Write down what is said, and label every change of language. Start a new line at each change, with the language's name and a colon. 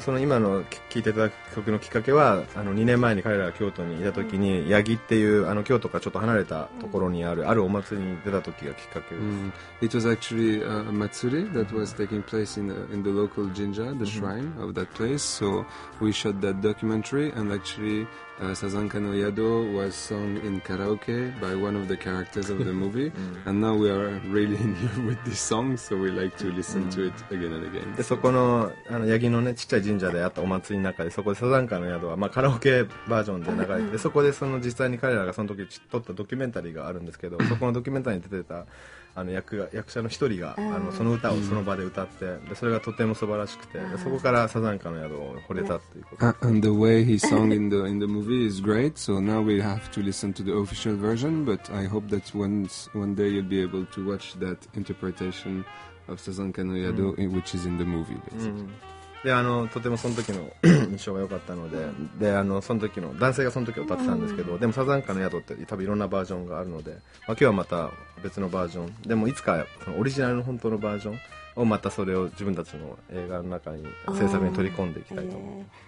Japanese: その今の聞いてた曲のきっかけは2年前に彼らが京都にいた時に、mm-hmm. ヤギっていう京都からちょっと離れたところにある、mm-hmm. あるお祭りに出た時がきっかけです、 mm-hmm.
English: It was actually a matsuri that was taking place in the local jinja, the shrine、mm-hmm. of that place. So we shot that documentary and actually、Sazanka no Yado was sung in karaoke by one of the characters of the movie. 、mm-hmm. And now we are really in love with this song, so we like to listen、mm-hmm. to it again and again.
Japanese: でそこの、ヤギのね、ちっちゃい神社であったお祭りの中で、そこでサザンカの宿は、まあ、カラオケバージョンで流れて、そこでその実際に彼らがその時撮ったドキュメンタリーがあるんですけど、そこのドキュメンタリーに出てた役者の一人がその歌をその場で歌ってでそれがとても素晴らしくてそこからサザンカの宿を惚れたっていうこと、
English: And the way he sung in the movie is great so now we have to listen to the official version but I hope that one day you'll be able to watch that interpretation of サザンカの宿、うん、which is in the movie basically、
Japanese: うん、でとてもその時の印象が良かったので、うん、でその時の男性がその時歌ってたんですけど、うん、でもサザンカの宿って多分いろんなバージョンがあるので、まあ、今日はまた別のバージョンでもいつかそのオリジナルの本当のバージョンをまたそれを自分たちの映画の中に制作に取り込んでいきたいと思います、